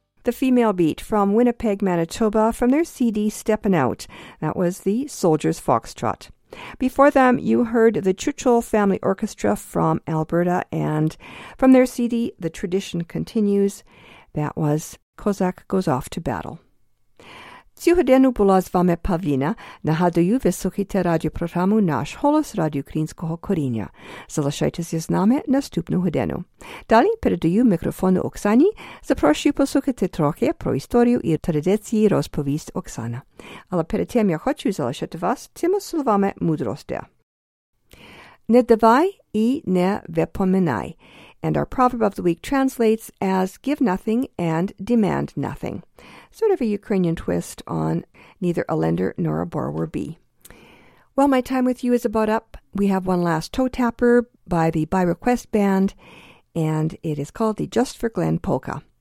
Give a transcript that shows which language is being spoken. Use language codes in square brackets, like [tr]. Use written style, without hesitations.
[en] Female Beat from Winnipeg, Manitoba, from their CD Steppin' Out. That was the Soldiers Foxtrot. Before them, you heard the Chuchul Family Orchestra from Alberta, and from their CD, The Tradition Continues. That was Kozak Goes Off to Battle. [uk] Цюгодену була з вами Павліна. Нагадую, ви слухаєте радіопрограму «Наш голос» Радіо Українського коріння. Залишайтеся з нами наступну годину. Далі передаю мікрофон Оксані. Запрошую послухати трохи про історію і традиції розповість Оксана. Але перед тим я хочу залишити вас цими словами мудрості. Не давай і не випоминай. [en] And our proverb of the week translates as give nothing and demand nothing. Sort of a Ukrainian twist on neither a lender nor a borrower be. Well, my time with you is about up. We have one last toe tapper by the By Request Band, and it is called the Just for Glenn Polka.